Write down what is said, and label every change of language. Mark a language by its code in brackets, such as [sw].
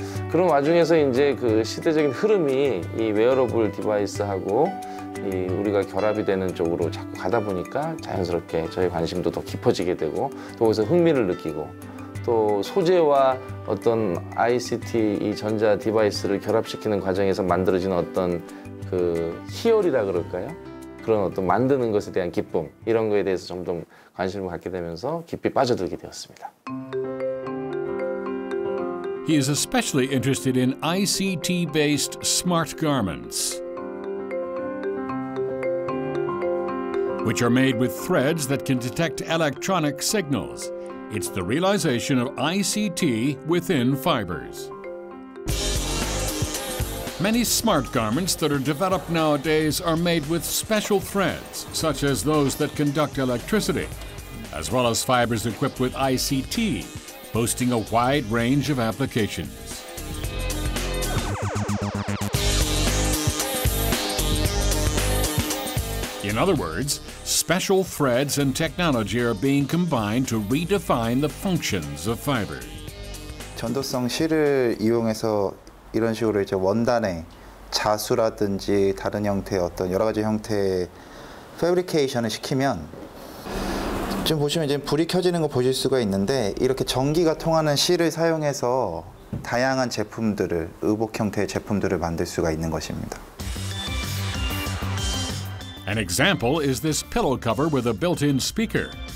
[ko] 그런 와중에서 이제 그 시대적인 흐름이 이 웨어러블 디바이스하고 이 우리가 결합이 되는 쪽으로 자꾸 가다 보니까 자연스럽게 저희 관심도 더 깊어지게 되고 또 거기서 흥미를 느끼고 또 소재와 어떤 ICT 이 전자 디바이스를 결합시키는 과정에서 만들어진 어떤 그 희열이라 그럴까요? 그런 어떤 만드는 것에 대한 기쁨 이런 거에 대해서 점점 관심을 갖게 되면서 깊이 빠져들게 되었습니다. [en] He is especially interested in ICT-based smart garments, which are made with threads that can detect electronic signals. It's the realization of ICT within fibers. Many smart garments that are developed nowadays are made with special threads, such as those that conduct electricity, as well as fibers equipped with ICT, boasting a wide range of applications. In other words, special threads and technology are being combined to redefine the functions of fiber. [ko] 전도성 실을 이용해서 이런 식으로 이제 원단에 자수라든지 다른 형태의 어떤 여러 가지 형태의 패브리케이션을 시키면 지금 보시면 이제 불이 켜지는 거 보실 수가 있는데 이렇게 전기가 통하는 실을 사용해서 다양한 제품들을 의복 형태의 제품들을 만들 수가 있는 것입니다. [en] An example is this pillow cover with a built-in speaker.